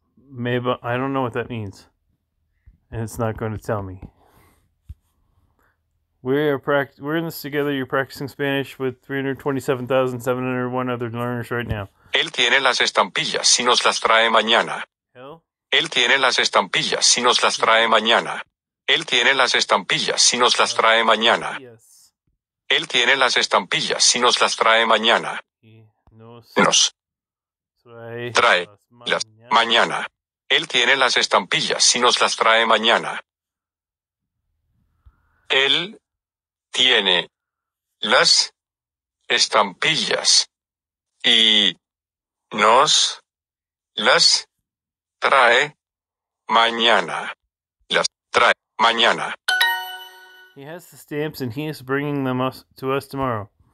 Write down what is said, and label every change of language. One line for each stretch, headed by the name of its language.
English: I don't know what that means. And it's not going to tell me. We're in this together. You're practicing Spanish with 327,701 other learners right now.
Spanish: Él tiene las estampillas si nos las trae mañana. Él tiene las estampillas si nos las trae mañana. Él tiene las estampillas si nos las trae mañana. Él tiene las estampillas si nos las trae mañana. Nos trae las mañana. Él tiene las estampillas si nos las trae mañana. Él tiene las estampillas y nos las trae mañana. Las trae mañana.
English: He has the stamps and he is bringing them us to us tomorrow.